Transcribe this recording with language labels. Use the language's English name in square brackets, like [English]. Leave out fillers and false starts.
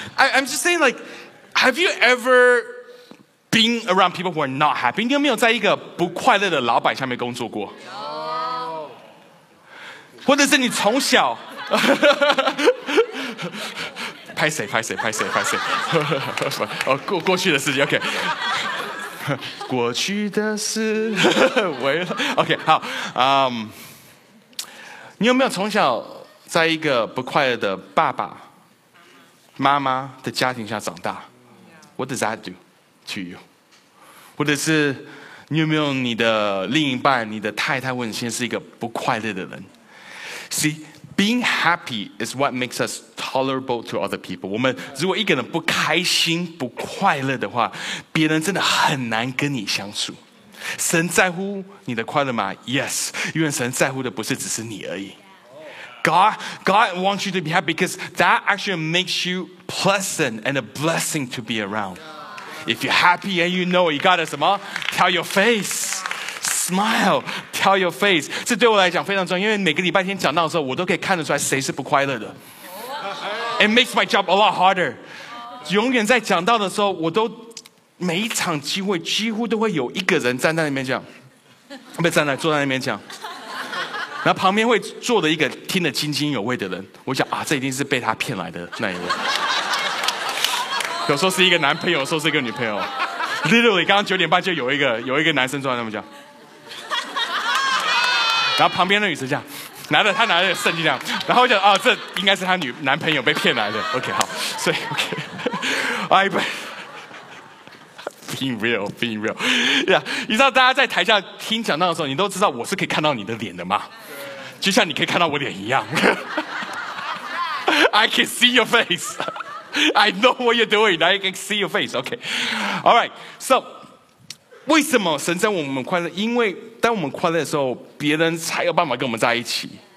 [English] I'm just saying, like, have you ever been around people who are not happy? [Chinese] 你有没有在一个不快乐的老板下面工作过？有。或者是你从小，拍谁？拍谁？拍谁？拍谁？哦，过去的事情 ，OK。过去的事，为了 OK 好，你有没有从小在一个不快乐的爸爸妈妈的家庭下长大 ？ [English] What does that do to you？ [Chinese] 或者是你有没有你的另一半、你的太太，或者现在是一个不快乐的人 ？ [English] See, being happy is what makes us tolerable to other people. [Chinese] 我们如果一个人不开心、不快乐的话，别人真的很难跟你相处。神在乎你的快乐吗 ？Yes， 因为神在乎的不是只是你而已。 [English] God wants you to be happy because that actually makes you pleasant and a blessing to be around. If you're happy and you know it, you got to [Chinese] 什么 [English] ？Tell your face, smile, tell your face. [Chinese] 这对我来讲非常重要，因为每个礼拜天讲到的时候，我都可以看得出来谁是不快乐的。 [English] It makes my job a lot harder. [Chinese] 永远在讲到的时候，我都。每一场机会几乎都会有一个人站在那边讲，不站在坐在那边讲，然后旁边会坐的一个听得津津有味的人，我想啊，这一定是被他骗来的那一位，有时候是一个男朋友，有时候是一个女朋友。 Literally， 刚刚九点半就有一个男生坐在那边讲，然后旁边的女生这样拿着圣经这样，然后我想啊，这应该是他男朋友被骗来的。 [English] OK， [Chinese] 好，所以 [English] OK，I、okay. but。 Being real. [Chinese] Yeah, 你知道大家在台下听讲到的时候，你都知道我是可以看到你的脸的吗？就像你可以看到我脸一样。 [English] I can see your face. I know what you're doing. I can see your face. Okay. All right. [Chinese] So, 为什么神在我们快乐？因为当我们快乐的时候，别人才有办法跟我们在一起。